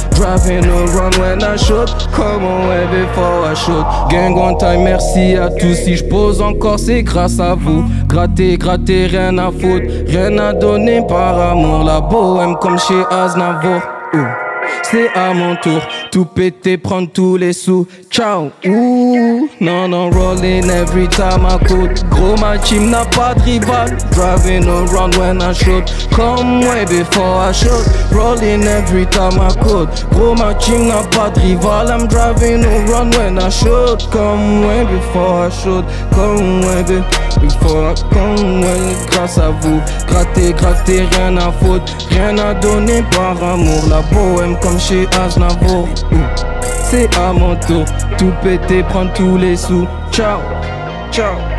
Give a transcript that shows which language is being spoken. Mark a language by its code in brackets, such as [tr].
[en] Driving around when I should. Come on way before I should. Gang one time, [fr] merci à tous. Si je pose encore, c'est grâce à vous. Gratter, rien à foutre. Rien à donner par amour. La bohème comme chez Aznavour. Ooh. C'est à mon tour. Tout péter, prendre tous les sous. Ciao. Ooh. Non, non, [en] rolling every time I could. [fr] Gros, ma team n'a pas de rival. [en] Driving around when I should. Come way before I should. Rolling every time I could. [fr] Gros, ma team n'a pas de rival. [en] I'm driving around when I should. Come way before I should. Come way before I come way. [fr] Grâce à vous. Gratter, rien à foutre. Rien à donner par amour. La bohème comme chez Aznavour. C'est à mon tour. Tout péter, prendre tous les sous. Ciao, ciao.